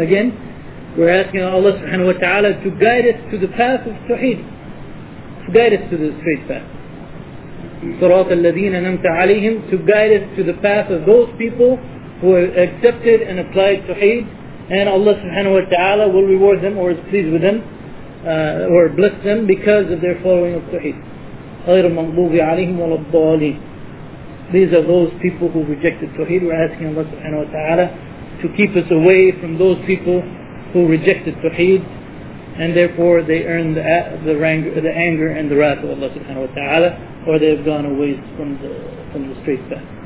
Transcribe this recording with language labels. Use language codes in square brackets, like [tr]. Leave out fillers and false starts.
[en] Again, we're asking Allah subhanahu wa ta'ala to guide us to the path of Tawheed, to guide us to the straight path. [ar] صراط الذين انعمت عليهم, [en] to guide us to the path of those people who have accepted and applied Tawheed, and Allah subhanahu wa ta'ala will reward them or is pleased with them or bless them because of their following of Tawheed. [ar] غير المغضوب عليهم ولا الضالين. [en] These are those people who rejected Tawheed. We're asking Allah subhanahu wa ta'ala to keep us away from those people who rejected Tawheed, and therefore they earned the anger and the wrath of Allah subhanahu wa ta'ala, or they have gone away from the straight path.